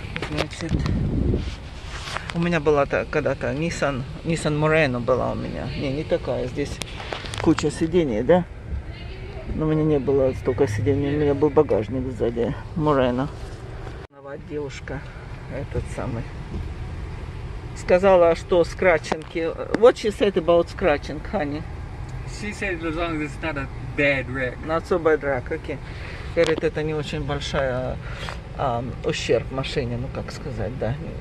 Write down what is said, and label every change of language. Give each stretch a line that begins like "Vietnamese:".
Russian: Значит, у меня была когда-то Nissan Moreno была у меня. Не такая. Здесь куча сидений, да? Но у меня не было столько сидений. У меня был багажник сзади Moreno. Девушка, этот самый. Сказала, что scratching.
English: What she said about scratching, honey? She said as long as it's not a bad wreck. Not so bad wreck, okay.
Russian: Говорит, это не очень большая ущерб машине, ну как сказать, да.